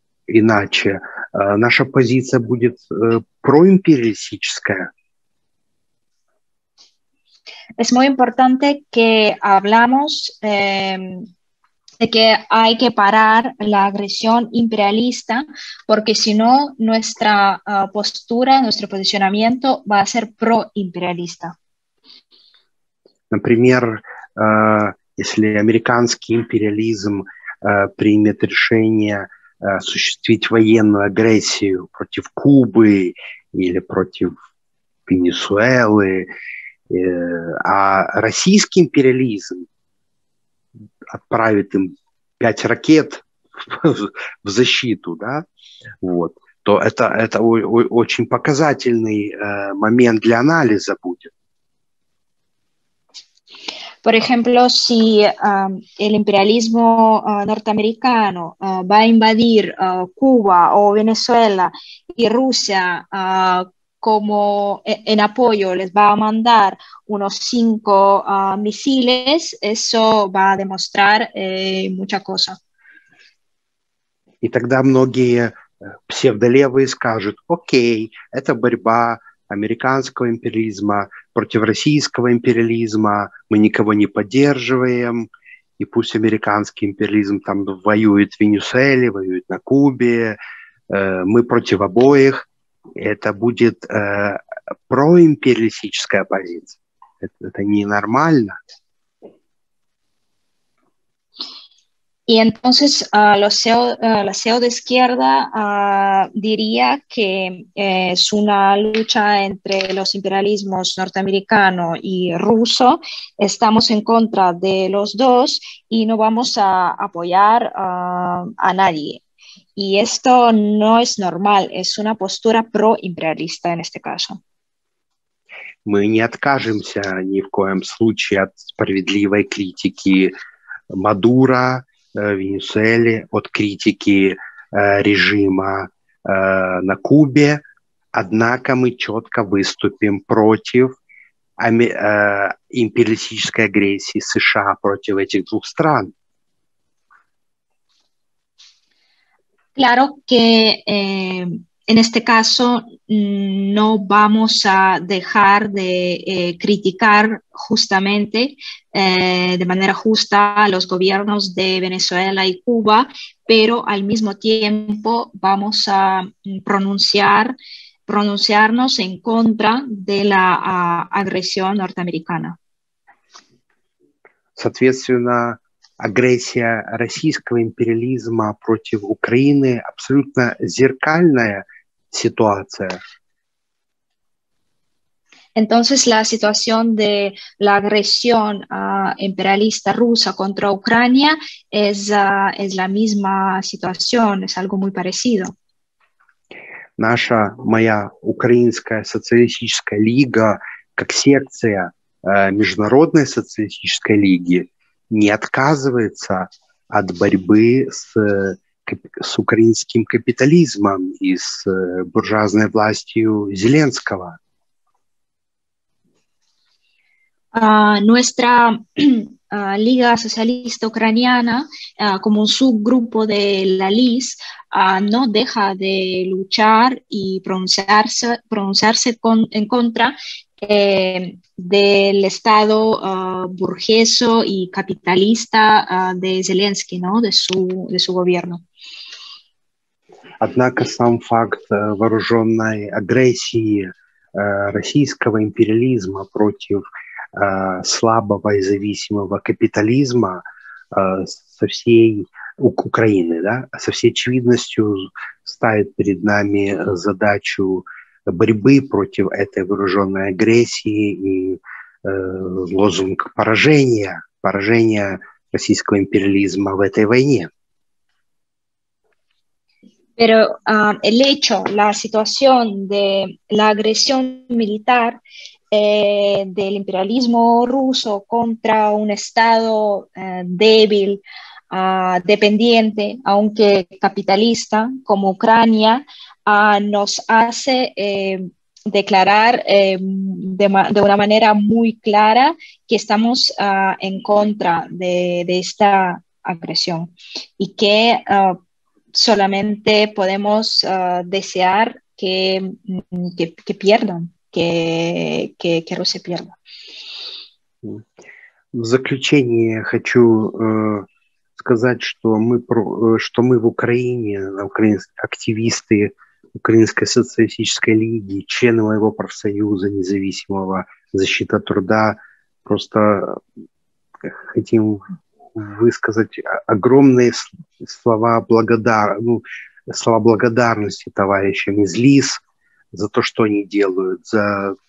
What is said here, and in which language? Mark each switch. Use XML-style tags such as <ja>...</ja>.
<ru>Иначе наша позиция будет проимпериалистическая.</ru> <es>Es muy importante que hablamos de que hay que parar la agresión imperialista, porque si no, nuestra postura, nuestro posicionamiento va a ser proimperialista.</es> <ru>Например, если американский империализм примет решение осуществить военную агрессию против Кубы или против Венесуэлы, А российский империализм отправит им 5 ракет в защиту, да, вот, то это очень показательный момент для анализа будет.</ru> <es>Por ejemplo, si el imperialismo norteamericano va a invadir Cuba o Venezuela y Rusia como en apoyo les va a mandar unos 5 misiles, eso va a demostrar mucha cosa.</es> <ru>И тогда многие псевдолевые скажут, окей, это борьба американского империализма против российского империализма, мы никого не поддерживаем, и пусть американский империализм там воюет в Венесуэле, воюет на Кубе, мы против обоих, это будет проимпериалистическая позиция, это ненормально.</ru> <es>Y entonces la CEO de izquierda diría que es una lucha entre los imperialismos norteamericano y ruso. Estamos en contra de los dos y no vamos a apoyar a nadie. Y esto no es normal, es una postura pro-imperialista en este caso.</es> <ru>Мы не откажемся ни в коем случае от справедливой критики Мадура, Венесуэле, от критики режима на Кубе, однако мы четко выступим против империалистической агрессии США против этих двух стран.</ru> <es>Claro que en este caso no vamos a dejar de criticar justamente de manera justa a los gobiernos de Venezuela y Cuba, pero al mismo tiempo vamos a pronunciarnos en contra de la agresión norteamericana.</es> <ru>Соответственно, агрессия российского империализма против Украины абсолютно зеркальная ситуация.</ru> <es>Entonces la situación de la agresión imperialista rusa contra Ucrania es la misma situación, es algo muy parecido.</es> <ru>Наша, моя украинская социалистическая лига, как секция международной социалистической лиги, не отказывается от борьбы с украинским капитализмом и с буржуазной властью Зеленского.</ru> <es>Nuestra Liga Socialista Ucraniana, como un subgrupo de la LIS, no deja de luchar y pronunciarse en contra del Estado burgueso y capitalista de Zelensky, ¿no? de su gobierno.</es> <ru>Однако сам факт вооруженной агрессии российского империализма против слабого и зависимого капитализма со всей Украины, да, со всей очевидностью ставит перед нами задачу борьбы против этой вооруженной агрессии и лозунг поражения российского империализма в этой войне.</ru> <es>Pero el hecho, la situación de la agresión militar del imperialismo ruso contra un estado débil, dependiente, aunque capitalista, como Ucrania, nos hace declarar de una manera muy clara que estamos en contra de esta agresión y que solamente podemos desear que pierdan. Que Rusia pierda.</es> <ru>В заключение хочу сказать, что мы в Украине, активисты Украинской социалистической лиги, члены моего профсоюза независимого защита труда, просто хотим высказать огромные слова благодарности товарищам из ЛИС, за то, что они делают, за</ru>